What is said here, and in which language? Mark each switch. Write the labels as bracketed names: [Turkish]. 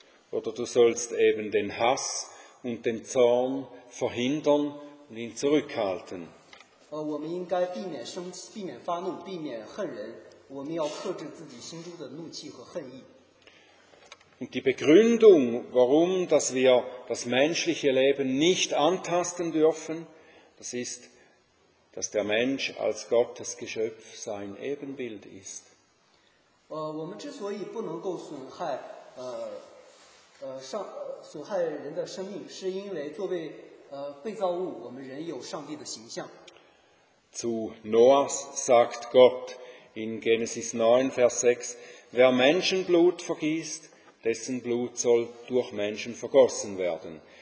[German] Oder du sollst eben den Hass und den Zorn verhindern und ihn zurückhalten. [Chinese] 我们应该避免生气，避免发怒，避免恨人，我们要克制自己心中的怒气和恨意。 [German] Und die Begründung, warum dass wir das menschliche Leben nicht antasten dürfen, das ist, dass der Mensch als Gottes Geschöpf sein Ebenbild ist. Zu Noah sagt Gott in Genesis 9, Vers 6, wer Menschenblut vergießt, dessen Blut soll durch Menschen vergossen werden.